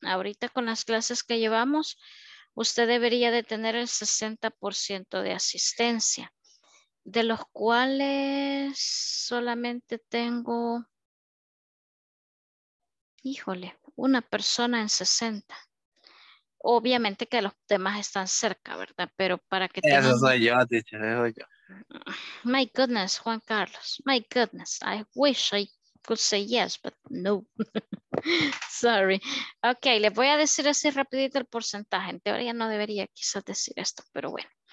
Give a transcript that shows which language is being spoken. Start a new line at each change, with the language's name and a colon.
Spanish: Ahorita con las clases que llevamos, usted debería de tener el 60% de asistencia, de los cuales solamente tengo, híjole, una persona en 60. Obviamente que los demás están cerca, ¿verdad? Pero para que tengan... Eso soy yo, teacher, eso soy yo.
English: My goodness, Juan Carlos, my goodness, I wish I could say yes, but no. Sorry.
Spanish: Ok, les voy a decir así rapidito el porcentaje. En teoría no debería quizás decir esto, pero bueno.